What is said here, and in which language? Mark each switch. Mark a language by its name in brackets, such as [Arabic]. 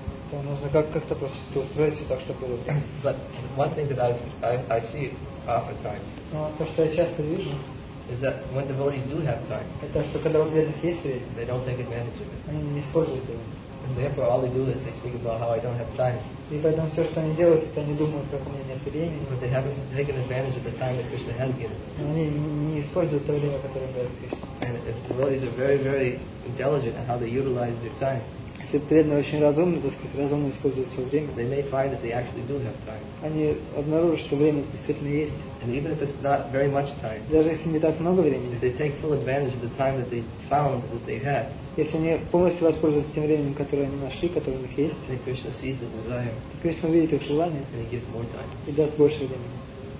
[Russian] То нужно как-то просто устроить все так, чтобы было. [English] But one thing that I see oftentimes. [Russian] Но то, что я часто вижу. [English] Is that when devotees do have time. [Russian] Это что когда у преданных есть время. [English] They don't take advantage of it. [Russian] Они не используют его. [English] And therefore all they do is they think about how I don't have time. [Russian] И поэтому все, что они делают, это они думают, как у меня нет времени. [English] But they haven't taken advantage of the time that Krishna has given. [Russian] Но они не используют то время, которое дает Кришна. [English] And if devotees are very, very intelligent in how they utilize their time. [Russian] Если преданные очень разумны, так сказать, разумно используют свое время. [English] They may find that they actually do have time. [Russian] Они обнаружат, что время действительно есть. [English] And even if it's not very much time. [Russian] Даже если не так много времени. [English] If they take full advantage of the time that they found that they had. [Russian] Если они полностью воспользуются тем временем, которое они нашли, которое у них есть, Кришна увидит их желание и даст больше времени.